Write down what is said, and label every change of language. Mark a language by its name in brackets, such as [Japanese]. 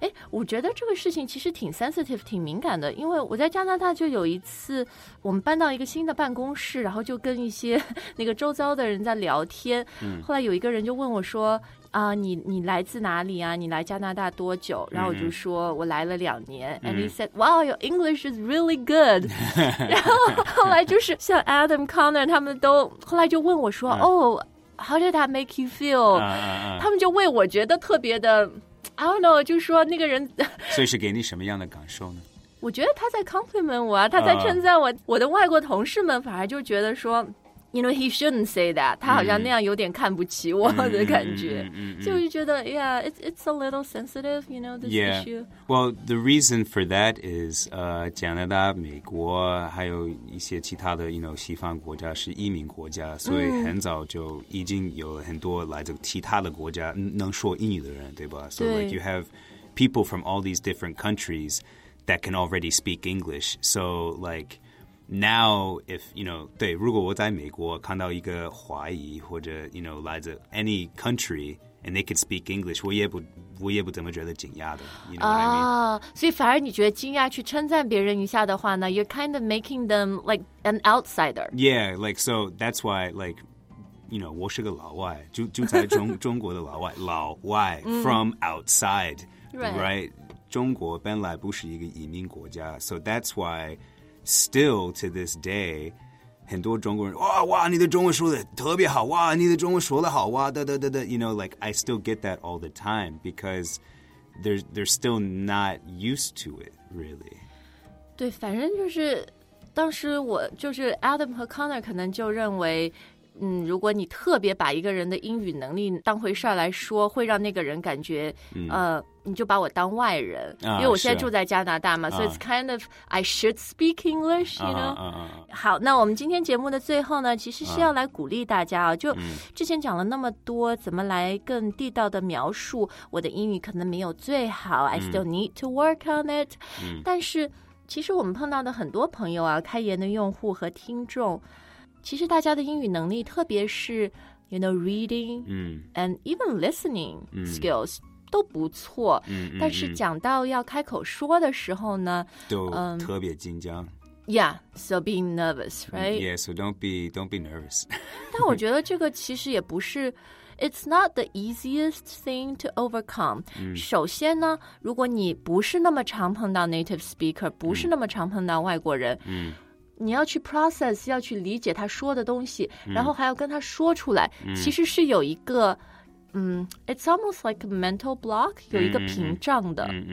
[Chinese] 我觉得这个事情其实挺 sensitive, 挺敏感的。因为我在加拿大就有一次，我们搬到一个新的办公室，然后就跟一些那个周遭的人在聊天。后来有一个人就问我说：“啊、你来自哪里啊？你来加拿大多久？” 然后我就说：“我来了两年。 [English] ”And he said, "Wow, your English is really good." [Chinese] 然后后来就是像 Adam Connor 他们都后来就问我说：“哦、 [English] how did that make you feel?" [Chinese] 他们就为我觉得特别的。 [English] I don't know, [Chinese] 就是说那个人所以是给你什么样的感受呢我觉得他在 compliment 我啊他在称赞我、我的外国同事们反而就觉得说 [English] you know, he shouldn't say that [Chinese] 他好像那样有点看不起我的感觉、所以就觉得 [English] yeah, it's a little sensitive, you know, this issue Well, the reason for that is、 [Chinese] 加拿大、美国还有一些其他的 you know, 西方国家是移民国家所以很早就已经有很多来自其他的国家能说英语的人对吧 So 对 [English] like you have people from all these different countries that can already speak English So likeNow, if, you know, [Chinese] 对如果我在美国看到一个华裔或者 [English] you know, 来自 any country, and they could speak English, [Chinese] 我也不怎么觉得惊讶的 [English] you know what I mean? [Chinese] 所以反而你觉得惊讶去称赞别人一下的话呢 [English] you're kind of making them like an outsider. Yeah, like, so that's why, like, you know, [Chinese] 我是个老外就在中国的老外老外 [English] from outside, right? [Chinese] 中国本来不是一个移民国家 [English] so that's why,Still to this day, [Chinese] 很多中国人哇哇，你的中文说的特别好哇，你的中文说的好哇，哒哒哒哒。 [English] You know, like I still get that all the time because they're still not used to it, really. [Chinese] 对，反正就是当时我就是 Adam 和 Connor 可能就认为如果你特别把一个人的英语能力当回事儿来说，会让那个人感觉你就把我当外人，因为我现在住在加拿大嘛，所以 [English] it's kind of I should speak English, you know? [Chinese] 好，那我们今天节目的最后呢，其实是要来鼓励大家啊，就之前讲了那么多，怎么来更地道的描述我的英语可能没有最好， [English] I still need to work on it. [Chinese] 但是其实我们碰到的很多朋友啊，开言的用户和听众，其实大家的英语能力，特别是 [English] you know reading and even listening skills。 [Chinese] 都不错但是讲到要开口说的时候呢都特别紧张 [English] Yeah, so being nervous, right? Yeah, so don't be nervous. [Chinese] 但我觉得这个其实也不是 [English] It's not the easiest thing to overcome. [Chinese] 首先呢如果你不是那么常碰到 native speaker 不是那么常碰到外国人你要去 process 要去理解他说的东西然后还要跟他说出来其实是有一个 [English] it's almost like a mental block, [Chinese] 有一个屏障的。